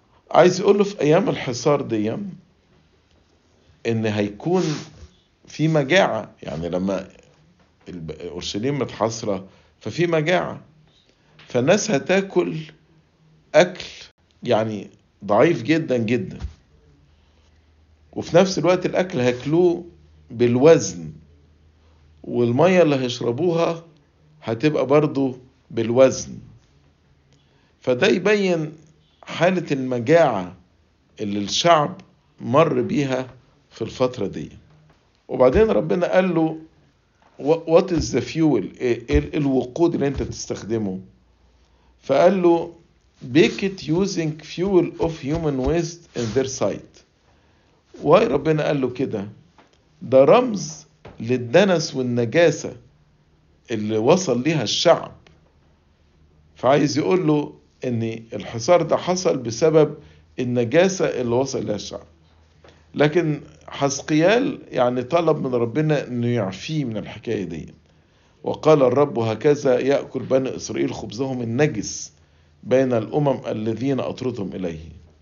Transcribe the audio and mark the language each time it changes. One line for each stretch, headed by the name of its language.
Arabic: عايز يقوله في أيام الحصار دي إن هيكون في مجاعة، يعني لما أورشليم متحصرة ففي مجاعة، فالناس هتاكل أكل يعني ضعيف جدا جدا، وفي نفس الوقت الأكل هاكلوه بالوزن، والمية اللي هيشربوها هتبقى برضو بالوزن. فده يبين حالة المجاعة اللي الشعب مر بيها في الفترة دي. وبعدين ربنا قال له
English: What is the fuel؟
Arabic: الوقود اللي انت بتستخدمه؟ فقال له
English: Baked using fuel of human waste in their sight.
Arabic: واي ربنا قال له كده؟ ده رمز للدنس والنجاسة اللي وصل لها الشعب. فعايز يقول له ان الحصار ده حصل بسبب النجاسة اللي وصل لها الشعب، لكن حزقيال يعني طلب من ربنا انه يعفيه من الحكاية دي، وقال الرب هكذا يأكل بني اسرائيل خبزهم النجس بين الامم الذين اطردهم اليه.